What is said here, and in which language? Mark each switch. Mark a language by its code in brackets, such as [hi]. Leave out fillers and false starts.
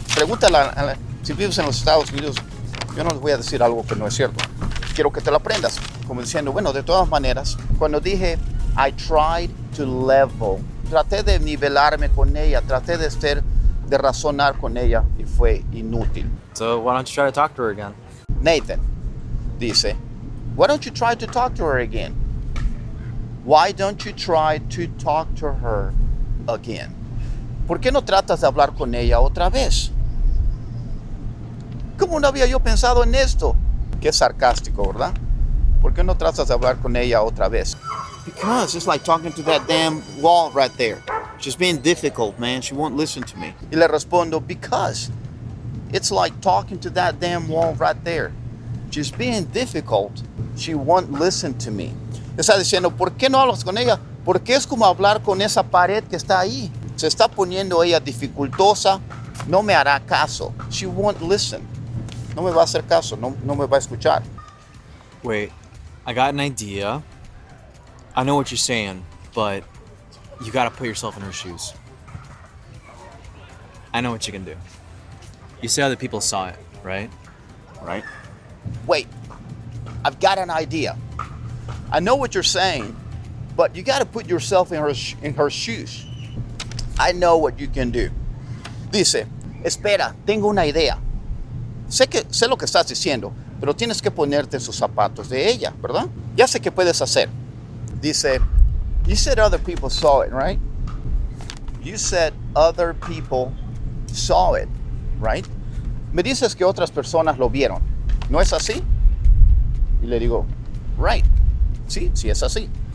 [es] Pregúntala, si vives en los Estados Unidos, yo no les voy a decir algo que no es cierto. Quiero que te lo aprendas. Como diciendo, bueno, de todas maneras, cuando dije I tried to level, traté de nivelarme con ella, traté de ser, de razonar con ella y fue inútil. [en] So why don't you try to talk to her again? Nathan dice, why don't you try to talk to her again? Why don't you try to talk to her again? [es] ¿Por qué no tratas de hablar con ella otra vez? ¿Cómo no había yo pensado en esto? Qué sarcástico, ¿verdad? ¿Por qué no tratas de hablar con ella otra vez? [en] Because it's like talking to that damn wall right there. She's being difficult, man. She won't listen to me. Y le respondo, because it's like talking to that damn wall right there. She's being difficult. She won't listen to me. [es] Está diciendo, ¿por qué no hablas con ella? Porque es como hablar con esa pared que está ahí. Se está poniendo ella dificultosa. No me hará caso. She won't listen. No me va a hacer caso. No me va a escuchar. [en] Wait, I got an idea. I know what you're saying, but you gotta put yourself in her shoes. I know what you can do. You say other people saw it, right? Right. Wait, I've got an idea. I know what you're saying, but you gotta put yourself in her shoes. I know what you can do. Dice, espera, tengo una idea. [es] Sé lo que estás diciendo, pero tienes que ponerte sus zapatos de ella, ¿verdad? Ya sé qué puedes hacer. [en] Dice, you said other people saw it, right? You said other people saw it, right? [es] Me dices que otras personas lo vieron. ¿No es así? Y le digo, right. Sí, sí es así.